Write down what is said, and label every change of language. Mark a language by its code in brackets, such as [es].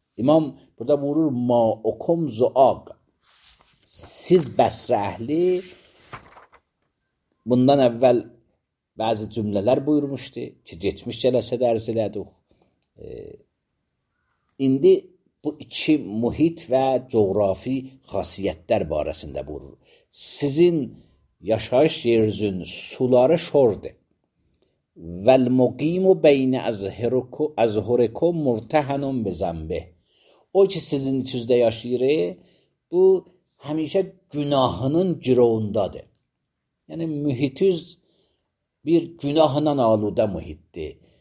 [az] İmam burada vurur, ma okum zuaq. Siz bəsrə əhli, bundan əvvəl bəzi cümlələr buyurmuşdu ki, getmiş cələsə dərs elədik. İndi Bu iki mühit və coğrafi xasiyyətlər barəsində buyurur. Sizin yaşayış yerinizin suları şordur. [ar] Vəl-muqimu beyni azhurikum murtəhənun bizənbi. [az] O ki, sizin içinizdə yaşayır, bu həmişə günahının cirovundadır. Yəni, mühitiz bir günahla aludə mühitdir.